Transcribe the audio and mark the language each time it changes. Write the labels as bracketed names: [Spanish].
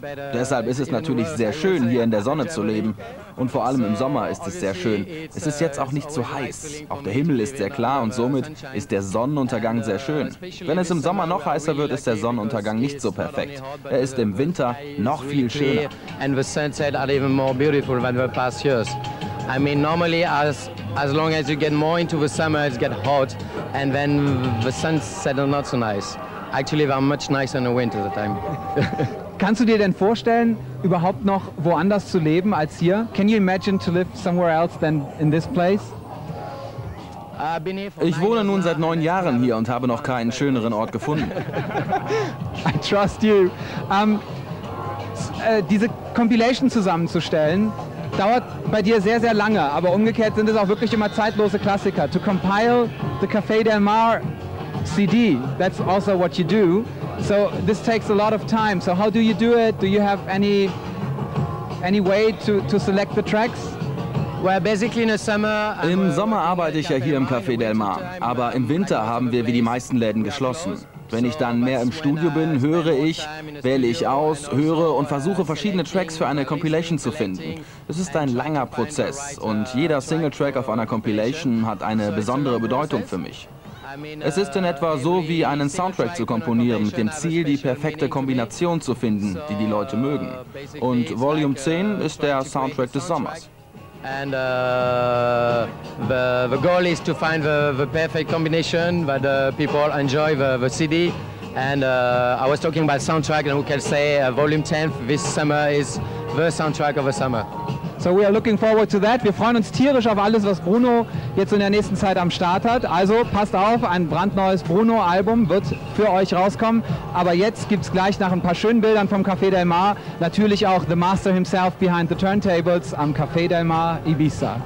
[German] Deshalb ist es natürlich sehr schön, hier in der Sonne zu leben. Und vor allem im Sommer ist es sehr schön. Es ist jetzt auch nicht zu heiß. Auch der Himmel ist sehr klar und somit ist der Sonnenuntergang sehr schön. Wenn es im Sommer noch heißer wird, ist der Sonnenuntergang nicht so perfekt. Er ist im Winter noch viel schöner. [English] I mean, normally as long as you get more into the summer, it gets hot, and then the sunset is not so nice. Actually, they are much nicer in the winter the time. [German] Kannst du dir denn vorstellen, überhaupt noch woanders zu leben als hier? [English] Can you imagine to live somewhere else than in this place? [German] Ich wohne nun seit 9 Jahren hier und habe noch keinen schöneren Ort gefunden. [English] I trust you. [German] Diese Compilation zusammenzustellen, dauert bei dir sehr, sehr lange, aber umgekehrt sind es auch wirklich immer zeitlose Klassiker. [English] To compile the Café Del Mar CD, that's also what you do. So this takes a lot of time. So how do you do it? Do you have any way to select the tracks? [German] Im Sommer arbeite ich ja hier im Café Del Mar, aber im Winter haben wir wie die meisten Läden geschlossen. Wenn ich dann mehr im Studio bin, höre ich, wähle ich aus, höre und versuche verschiedene Tracks für eine Compilation zu finden. Es ist ein langer Prozess und jeder Single-Track auf einer Compilation hat eine besondere Bedeutung für mich. Es ist in etwa so wie einen Soundtrack zu komponieren, mit dem Ziel, die perfekte Kombination zu finden, die die Leute mögen. Und Volume 10 ist der Soundtrack des Sommers. [English] And the goal is to find the perfect combination that people enjoy the CD, And I was talking about soundtrack, and we can say Volume 10 this summer is the soundtrack of the summer. So we are looking forward to that. [German] Wir freuen uns tierisch auf alles, was Bruno jetzt in der nächsten Zeit am Start hat. Also passt auf, ein brandneues Bruno-Album wird für euch rauskommen. Aber jetzt gibt es gleich nach ein paar schönen Bildern vom Café Del Mar natürlich auch [English] the master himself behind the turntables [German] am Café Del Mar Ibiza.